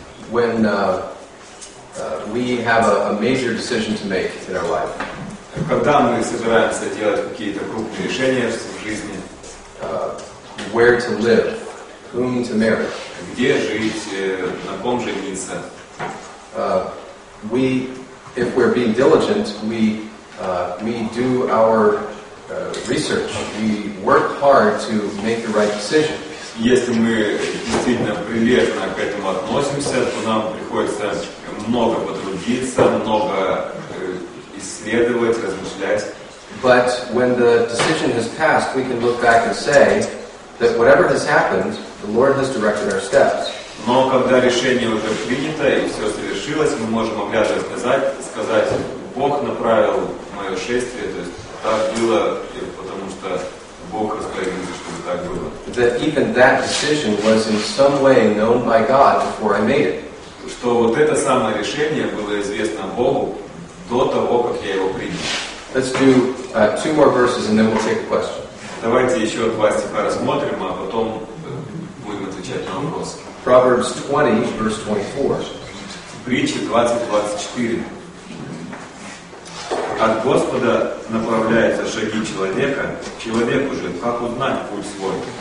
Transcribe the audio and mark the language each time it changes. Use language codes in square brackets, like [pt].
[en] When we have a major decision to make in our life. [ru] Когда мы собираемся делать какие-то крупные решения в жизни. [en] Where to live, whom to marry. [ru] Где жить, на ком жениться. [en] If we're being diligent, we do our research. We work hard to make the right decision. [ru] Если мы действительно прилежно к этому относимся, то нам приходится много потрудиться, много исследовать, размышлять. [en] But when the decision has passed, we can look back and say that whatever has happened, the Lord has directed our steps. [ru] Но когда решение уже принято и все совершилось, мы можем оглядываться и сказать, Бог направил мое шествие, то есть так было, потому что Бог распорядился, чтобы так было. [en] That even that decision was in some way known by God before I made it. [ru] Что вот это самое решение было известно Богу до того, как я его принял. [en] Let's do two more verses and then we'll take a question. [ru] Давайте еще два стиха рассмотрим, а потом будем отвечать на вопросы. [en] Proverbs 20, verse 24. [ru] Притчи 20:24. От Господа направляются шаги человека, человек уже как узнать путь свой.